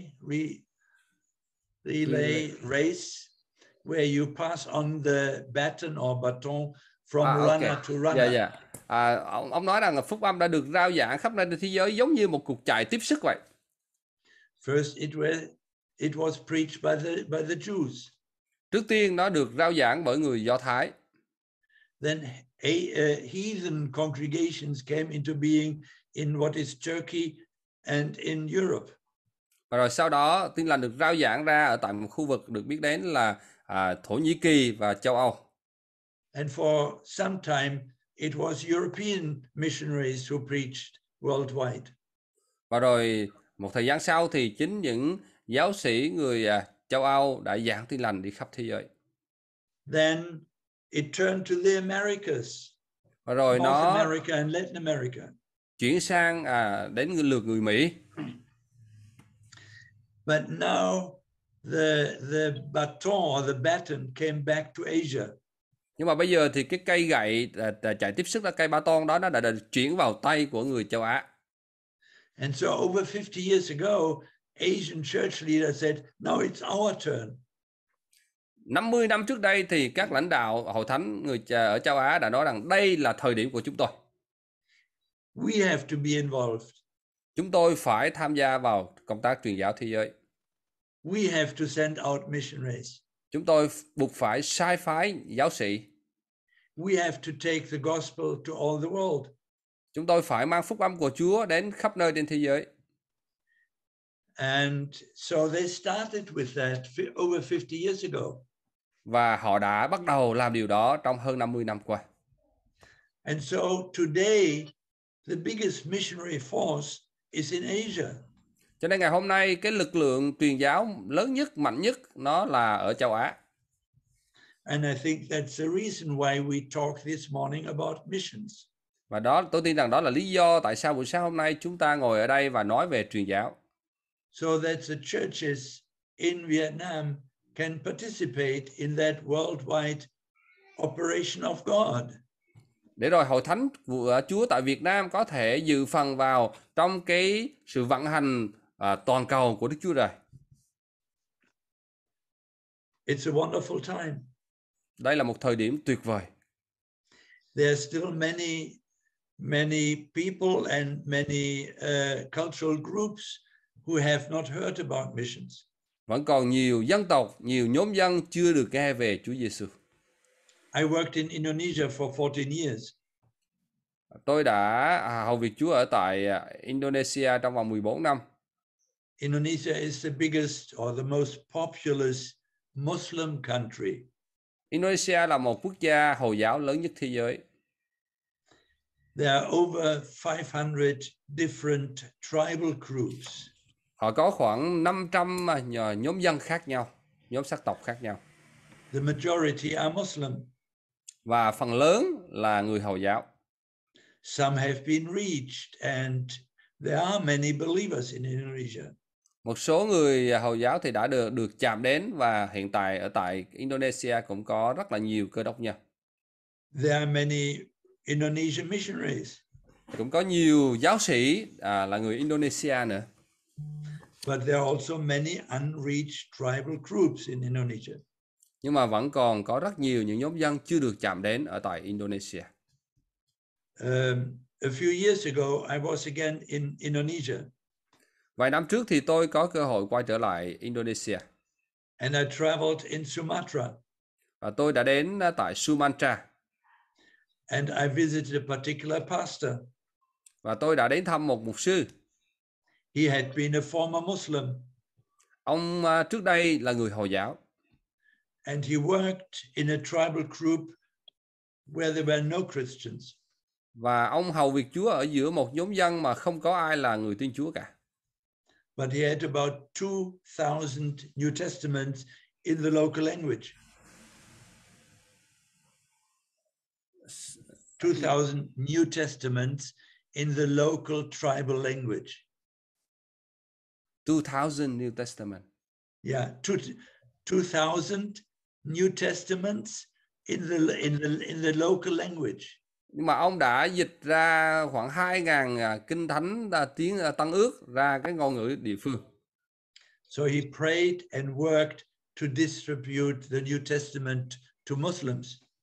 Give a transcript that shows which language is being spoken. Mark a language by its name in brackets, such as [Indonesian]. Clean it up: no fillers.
[English] A relay race where you pass on the baton or baton from runner to runner. Yeah, yeah. [Vietnamese] Ông nói rằng là phúc âm đã được rao giảng khắp nơi trên thế giới giống như một cuộc chạy tiếp sức vậy. [English] First it was preached by the Jews. [Vietnamese] Trước tiên nó được rao giảng bởi người Do Thái. [English] Then heathen congregations came into being in what is Turkey and in Europe. [Vietnamese] Và rồi sau đó tin lành được rao giảng ra ở tại một khu vực được biết đến là Thổ Nhĩ Kỳ và châu Âu. [English] And for some time it was European missionaries who preached worldwide. [Vietnamese] Và rồi một thời gian sau thì chính những giáo sĩ người châu Âu đã giảng tin lành đi khắp thế giới. [English] Then it turned to the Americas. [Vietnamese] Và rồi [English] North America and Latin America. [Vietnamese] Chuyển sang đến lượt người Mỹ. [English] But now the baton or the baton came back to Asia. [Vietnamese] Nhưng mà bây giờ thì cái cây gậy chạy tiếp sức là cây baton đó nó đã được chuyển vào tay của người châu Á. [English] And so over 50 years ago, Asian church leaders said, "Now it's our turn." [Vietnamese] 50 năm trước đây thì các lãnh đạo hội thánh người ở châu Á đã nói rằng đây là thời điểm của chúng tôi. [English] We have to be involved. [Vietnamese] Chúng tôi phải tham gia vào công tác truyền giáo thế giới. [English] We have to send out missionaries. [Vietnamese] Chúng tôi buộc phải sai phái giáo sĩ. [English] We have to take the gospel to all the world. [Vietnamese] Chúng tôi phải mang phúc âm của Chúa đến khắp nơi trên thế giới. [English] And so they started with that over 50 years ago. [Vietnamese] Và họ đã bắt đầu làm điều đó trong hơn 50 năm qua. [English] And so today the biggest missionary force is in Asia. [Vietnamese] Cho nên ngày hôm nay cái lực lượng truyền giáo lớn nhất, mạnh nhất nó là ở châu Á. [English] And I think that's the reason why we talk this morning about missions. [Vietnamese] Và đó tôi tin rằng đó là lý do tại sao buổi sáng hôm nay chúng ta ngồi ở đây và nói về truyền giáo. [English] So that the churches in Vietnam can participate in that worldwide operation of God. [Vietnamese] Để rồi hội thánh của Chúa tại Việt Nam có thể dự phần vào trong cái sự vận hành toàn cầu của Đức Chúa Trời. [English] It's a wonderful time. [Vietnamese] Đây là một thời điểm tuyệt vời. [English] There are still many, many people and many cultural groups who have not heard about missions. [Vietnamese] Vẫn còn nhiều dân tộc, nhiều nhóm dân chưa được nghe về Chúa Giêsu. [English] I worked in Indonesia for 14 years. [Vietnamese] Tôi đã hầu việc Chúa ở tại Indonesia trong vòng 14 năm. [English] Indonesia is the biggest or the most populous Muslim country. [Vietnamese] Indonesia là một quốc gia Hồi giáo lớn nhất thế giới. [English] There are over 500 different tribal groups. [Vietnamese] Họ có khoảng 500 nhóm dân khác nhau, nhóm sắc tộc khác nhau. [English] The majority are Muslim. [Vietnamese] Và phần lớn là người Hồi giáo. [English] Some have been reached and there are many believers in Indonesia. [Vietnamese] Một số người Hồi giáo thì đã được chạm đến và hiện tại ở tại Indonesia cũng có rất là nhiều cơ đốc nhân. [English] There are many Indonesian missionaries. [Vietnamese] Cũng có nhiều giáo sĩ là người Indonesia nữa. [English] But there are also many unreached tribal groups in Indonesia. [Vietnamese] Nhưng mà vẫn còn có rất nhiều những nhóm dân chưa được chạm đến ở tại Indonesia. [English] A few years ago, I was again in Indonesia. [Vietnamese] Vài năm trước thì tôi có cơ hội quay trở lại Indonesia. [English] And I traveled in Sumatra. [Vietnamese] Và tôi đã đến tại Sumatra. [English] And I visited a particular pastor. [Vietnamese] Và tôi đã đến thăm một mục sư. [English] He had been a former Muslim. [Vietnamese] Ông trước đây là người Hồi giáo. [English] And he worked in a tribal group where there were no Christians. [Vietnamese] Và ông hầu việc Chúa ở giữa một nhóm dân mà không có ai là người tin Chúa cả. [English] But he had about 2,000 New Testaments in the local language. 2,000 New Testaments in the local tribal language. 2,000 New Testament. Yeah, 2,000 New Testaments in the local language. [Vietnamese] Nhưng mà ông đã dịch ra khoảng 2,000 kinh thánh tiếng Tân Ước ra cái ngôn ngữ địa phương. [English] So he prayed and worked to distribute the New Testament to Muslims.